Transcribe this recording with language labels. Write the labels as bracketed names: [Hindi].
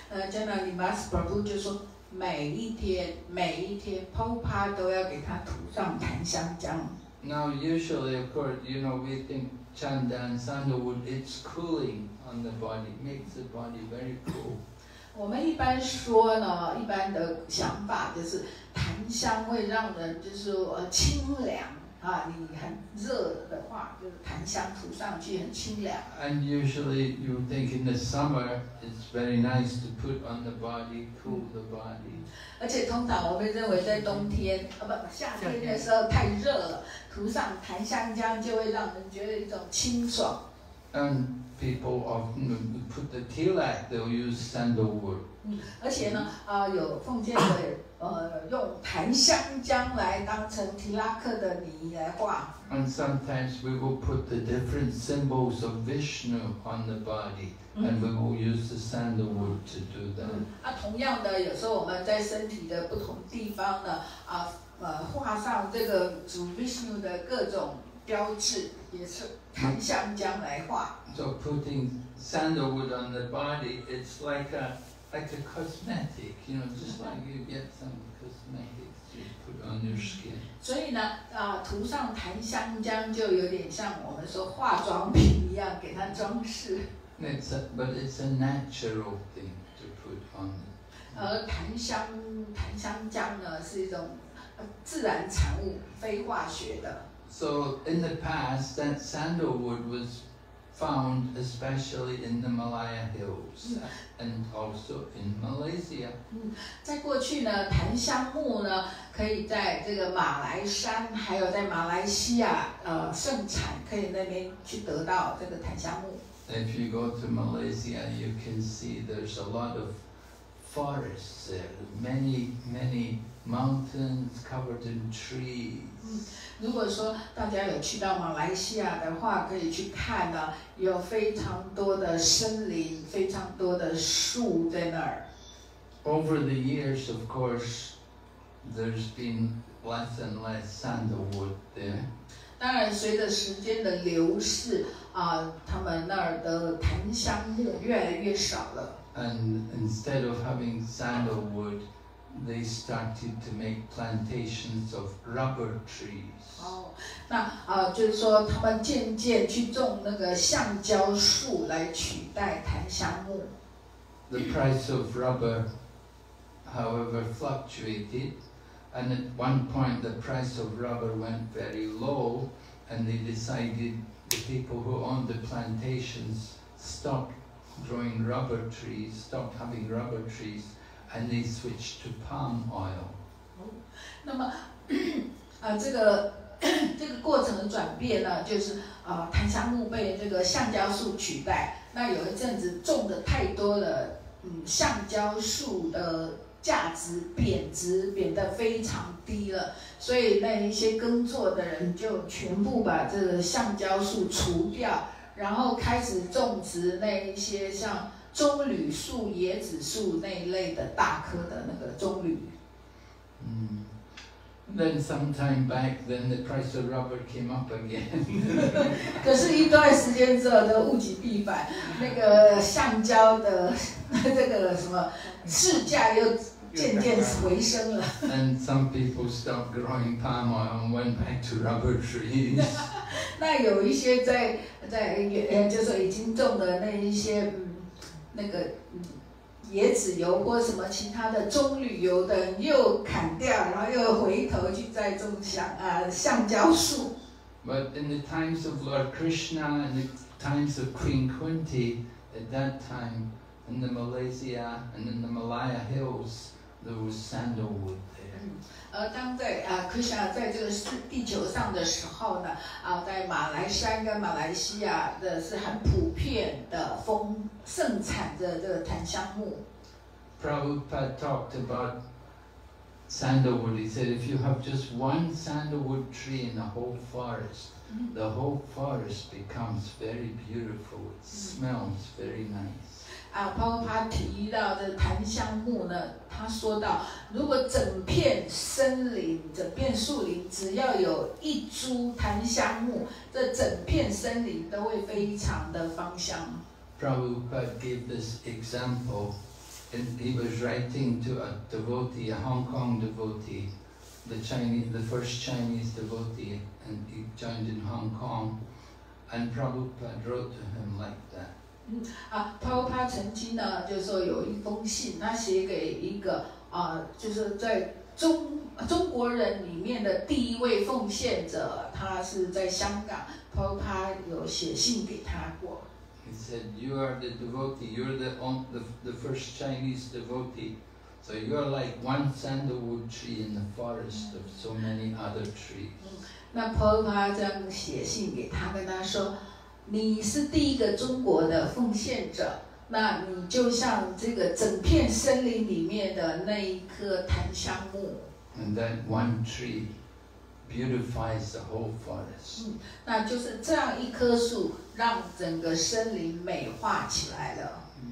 [Chinese] Janalimas Prabhu 就说每一天 Prabhupada 都要给他涂上檀香浆。 [English] Now usually, of course, you know, we think chanda and sandalwood, it's cooling on the body, makes the body very cool. [Chinese] 我们一般说呢，一般的想法就是檀香会让人就是清凉。 [English] And usually you think in the summer it's very nice to put on the body, cool the body. [Chinese] 而且通常我们认为在冬天，夏天的时候太热了，涂上檀香浆就会让人觉得一种清爽。 [English] And people often put the tilak, they'll use sandalwood. [Chinese] 而且呢，有奉献的。用檀香浆来当成提拉克的泥来画。 [English] And sometimes we will put the different symbols of Vishnu on the body, and we will use the sandalwood to do that. [Chinese] 同样的，有时候我们在身体的不同地方呢，画上这个主 Vishnu 的各种标志，也是檀香浆来画。 [English] So putting sandalwood on the body, it's like a cosmetic, you know, just like you get some cosmetics to put on your skin. [Chinese] 所以呢，涂上檀香浆就有点像我们说化妆品一样，给它装饰。 [English] But it's a natural thing to put on. [Chinese] 檀香浆呢是一种自然产物，非化学的。 [English] So in the past, that sandalwood was found especially in the Malaya Hills. And also in Malaysia. [Chinese] 在过去呢，檀香木呢，可以在这个马来山，还有在马来西亚，盛产，可以那边去得到这个檀香木。 [English] If you go to Malaysia, you can see there's a lot of forests there, many, many mountains covered in trees. [Chinese] 如果说大家有去到马来西亚的话，可以去看呢。有非常多的森林，非常多的树在那儿。 [English] Over the years, of course, there's been less and less sandalwood there. [Chinese] 当然，随着时间的流逝，他们那儿的檀香木越来越少了。 [English] And instead of having sandalwood, they started to make plantations of rubber trees. [Chinese] 就是说他们渐渐去种那个橡胶树来取代檀香木。 [English] The price of rubber, however, fluctuated, and at one point the price of rubber went very low, and they decided the people who owned the plantations stopped growing rubber trees, stopped having rubber trees, and they switched to palm oil. [Chinese] 那么，这个。这个过程的转变呢，就是檀香木被这个橡胶树取代。那有一阵子种的太多了，橡胶树的价值贬得非常低了，所以那一些耕作的人就全部把这个橡胶树除掉，然后开始种植那一些像棕榈树、椰子树那一类的大棵的那个棕榈。 [English] Then some time back, then the price of rubber came up again. [Chinese] 可是一段时间之后，这物极必反，那个橡胶的这个什么市价又渐渐回升了。 [English] And some people stopped growing palm oil and went back to rubber trees. [Chinese] 那有一些在就是已经种的那一些那个。椰子油或什么其他的棕榈油的又砍掉，然后又回头去再种橡胶树。 [English] But in the times of Lord Krishna and the times of Queen Kunti, at that time in the Malaysia and in the Malaya Hills, there was sandalwood there. [Chinese] 当在Krishna 在这个地球上的时候呢，在马来山跟马来西亚的是很普遍的风。盛产的这个檀香木。 [English] Prabhupada talked about sandalwood. He said, if you have just one sandalwood tree in the whole forest, the whole forest becomes very beautiful. It smells very nice. [Chinese] 啊，包括他提到的檀香木呢，他说到，如果整片森林、整片树林只要有一株檀香木，这整片森林都会非常的芳香。 [English] Prabhupada gave this example, and he was writing to a devotee, a Hong Kong devotee, the first Chinese devotee, and he joined in Hong Kong, and Prabhupada wrote to him like that. [Chinese] 嗯啊，包括他曾经呢，就是说有一封信，他写给一个啊，就是在中国人里面的第一位奉献者，他是在香港，包括他有写信给他过。 [English] He said, "You are the devotee. You're the first Chinese devotee. So you are like one sandalwood tree in the forest of so many other trees." [Chinese] 那包括他这样写信给他，跟他说。你是第一个中国的奉献者，那你就像这个整片森林里面的那一棵檀香木。 [English] And that one tree beautifies the whole forest. [Chinese] 嗯，那就是这样一棵树让整个森林美化起来了。